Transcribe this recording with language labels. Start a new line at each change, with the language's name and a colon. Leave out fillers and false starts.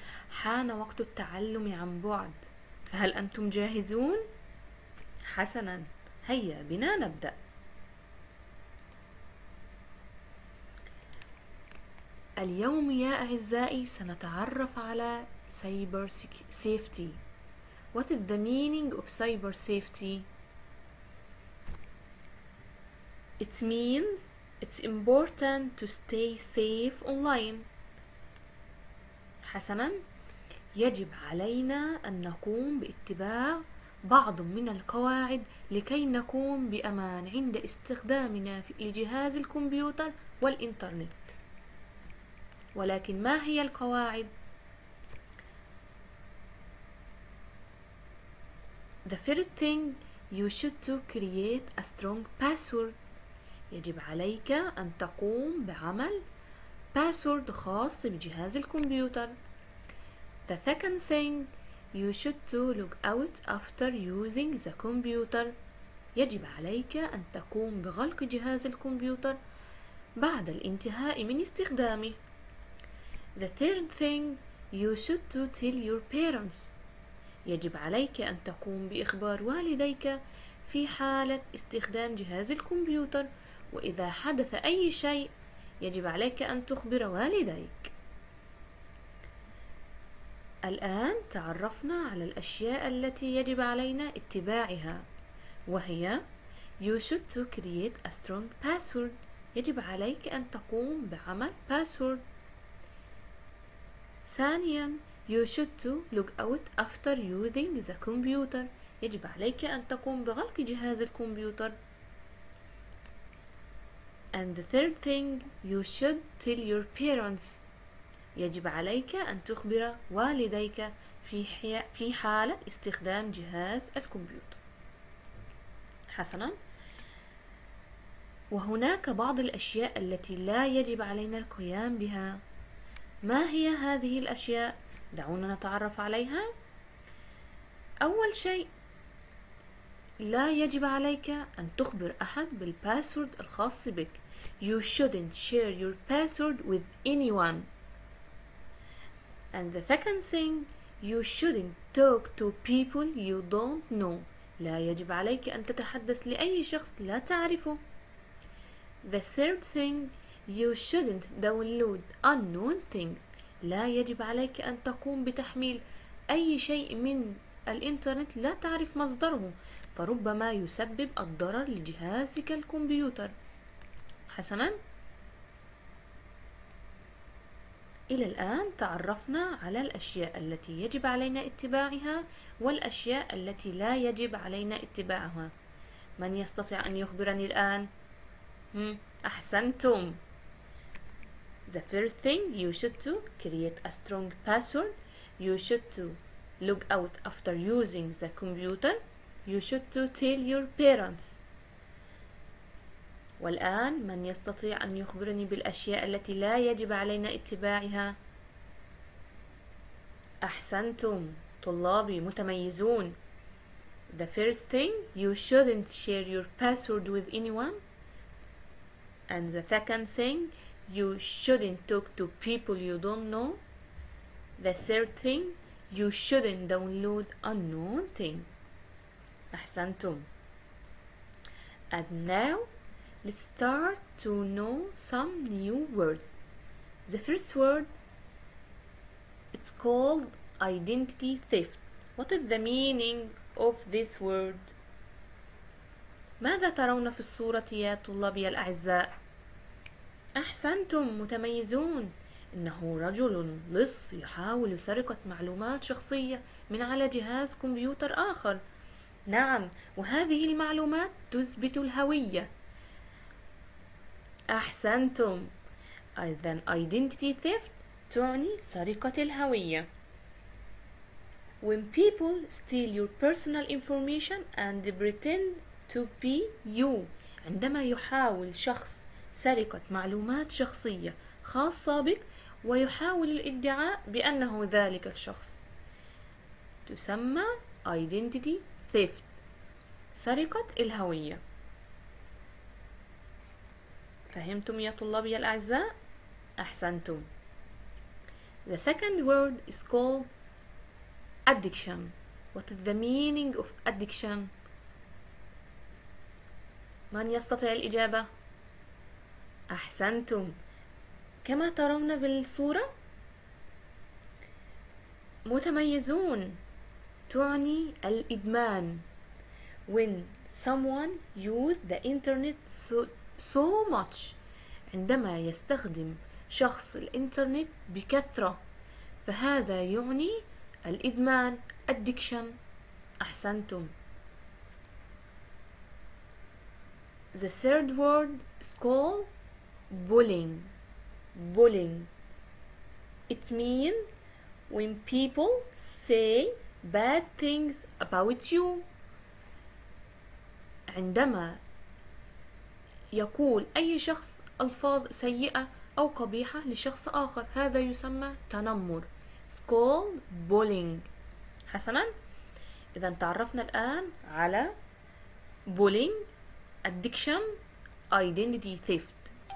Arabic: حان وقت التعلم عن بعد، فهل أنتم جاهزون؟ حسنا، هيا بنا نبدأ. اليوم يا أعزائي سنتعرف على سايبر سيفتي.
English: What is the meaning of cyber safety? It means it's important to stay safe online.
Arabic: حسنا، يجب علينا أن نقوم باتباع بعض من القواعد لكي نكون بأمان عند استخدامنا لجهاز الكمبيوتر والإنترنت. ولكن ما هي القواعد؟
English: The first thing you should to create a strong password.
Arabic: يجب عليك أن تقوم بعمل password خاص بجهاز الكمبيوتر.
English: The second thing you should to log out after using the computer.
Arabic: يجب عليك أن تقوم بغلق جهاز الكمبيوتر بعد الانتهاء من استخدامه.
English: The third thing you should to tell your parents.
Arabic: يجب عليك أن تقوم بإخبار والديك في حالة استخدام جهاز الكمبيوتر، وإذا حدث أي شيء يجب عليك أن تخبر والديك. الآن تعرفنا على الأشياء التي يجب علينا اتباعها، وهي
English: you should to create a strong password.
Arabic: يجب عليك أن تقوم بعمل password. ثانياً،
English: you should to log out after using the computer.
Arabic: يجب عليك أن تقوم بغلق جهاز الكمبيوتر.
English: And the third thing, you should tell your parents.
Arabic: يجب عليك أن تخبر والديك في حالة استخدام جهاز الكمبيوتر. حسناً، وهناك بعض الأشياء التي لا يجب علينا القيام بها. ما هي هذه الأشياء؟ دعونا نتعرف عليها. أول شيء، لا يجب عليك أن تخبر أحد بالباسورد الخاص بك.
English: You shouldn't share your password with anyone. And the second thing, you shouldn't talk to people you don't know.
Arabic: لا يجب عليك أن تتحدث لأي شخص لا تعرفه.
English: The third thing, you shouldn't download unknown things.
Arabic: لا يجب عليك أن تقوم بتحميل أي شيء من الإنترنت لا تعرف مصدره، فربما يسبب الضرر لجهازك الكمبيوتر. حسنا، إلى الآن تعرفنا على الأشياء التي يجب علينا اتباعها والأشياء التي لا يجب علينا اتباعها. من يستطيع أن يخبرني الآن؟ أحسنتم.
English: The first thing you should to create a strong password. You should to log out after using the computer. You should to tell your parents.
Arabic: والآن من يستطيع أن يخبرني بالأشياء التي لا يجب علينا اتباعها؟ أحسنتم طلابي متميزون.
English: The first thing you shouldn't share your password with anyone. And the second thing, you shouldn't talk to people you don't know. The third thing, you shouldn't download unknown things.
Arabic: أحسنتم.
English: And now, let's start to know some new words. The first word, it's called identity theft. What is the meaning of this word?
Arabic: ماذا ترون في الصورة يا طلابي الأعزاء؟ أحسنتم متميزون. إنه رجل لص يحاول سرقة معلومات شخصية من على جهاز كمبيوتر آخر. نعم، وهذه المعلومات تثبت الهوية. أحسنتم. إذن identity theft تعني سرقة الهوية.
English: When people steal your personal information and pretend to be you.
Arabic: عندما يحاول شخص سرقة معلومات شخصية خاصة بك ويحاول الادعاء بأنه ذلك الشخص، تسمى Identity Theft، سرقة الهوية. فهمتم يا طلابي الأعزاء؟ أحسنتم.
English: The second word is called addiction. What is the meaning of addiction?
Arabic: من يستطيع الإجابة؟ أحسنتم. كما ترون بالصورة، متميزون، تعني الإدمان.
English: When someone use the internet so much،
Arabic: عندما يستخدم شخص الإنترنت بكثرة، فهذا يعني الإدمان، addiction. أحسنتم.
English: The third word is called bullying. Bullying. It means when people say bad things about you.
Arabic: عندما يقول أي شخص ألفاظ سيئة أو قبيحة لشخص آخر، هذا يسمى تنمر.
English: It's called bullying.
Arabic: حسناً، إذا تعرفنا الآن على bullying, addiction, identity theft.